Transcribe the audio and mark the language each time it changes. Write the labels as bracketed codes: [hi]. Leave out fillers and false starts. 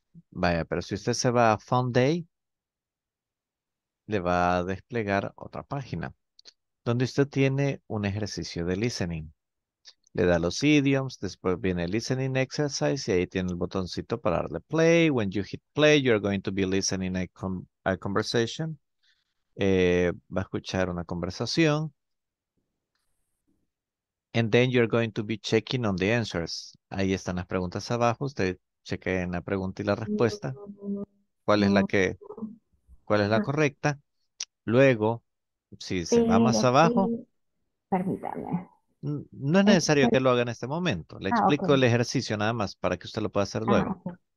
[es] Vaya, pero si usted se va a fun day, le va a desplegar otra página, donde usted tiene un ejercicio de listening. Le da los idioms, después viene el listening exercise y ahí tiene el botoncito para darle play. [en] When you hit play, you're going to be listening a conversation. [es] Va a escuchar una conversación. [en] And then you're going to be checking on the answers. [es] Ahí están las preguntas abajo. Usted chequea en la pregunta y la respuesta. ¿Cuál es la que? ¿Cuál es la correcta? Luego, si se va más abajo, permítame. No es necesario que lo haga en este momento. Le explico el ejercicio nada más para que usted lo pueda hacer luego. Okay.